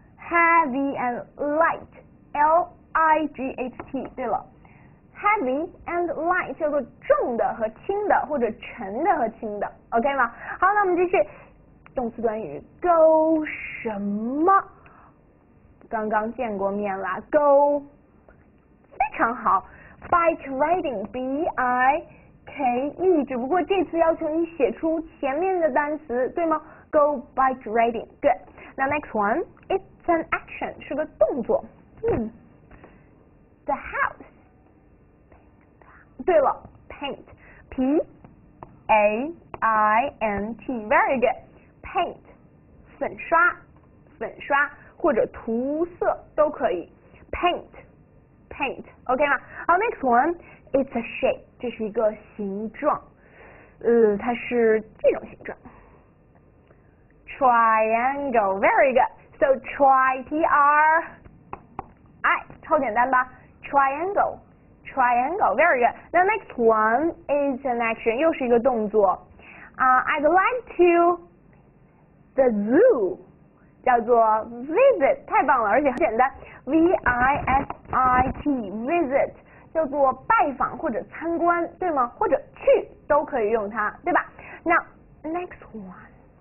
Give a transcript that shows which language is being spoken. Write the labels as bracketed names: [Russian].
[English] Heavy and light, L I G H T。 [Chinese] 对了 ， [English] heavy and light [Chinese] 叫做重的和轻的，或者沉的和轻的 ，OK 吗？好，那我们继续动词短语 ，go 什么？刚刚见过面啦 ，go 非常好 ，bike riding, B I K E。只不过这次要求你写出前面的单词，对吗 ？ [English] Go bike riding, good。那 next one, it's an action, [Chinese] 是个动作。 The house, 对了 ，paint, P A I N T, very good, paint, 粉刷，粉刷或者涂色都可以 ，paint, paint, OK 吗？好 ，next one, [English] it's a shape, [Chinese] 这是一个形状，它是这种形状。 [English] Triangle, very good. So try T R I, 超简单吧 Triangle, triangle, very good. The next one is an action, [Chinese] 又是一个动作。 [English] I'd like to the zoo, [Chinese] 叫做 visit, 太棒了，而且很简单。 V I S I T, visit, 叫做拜访或者参观，对吗？或者去都可以用它，对吧 ？ [English] Now next one.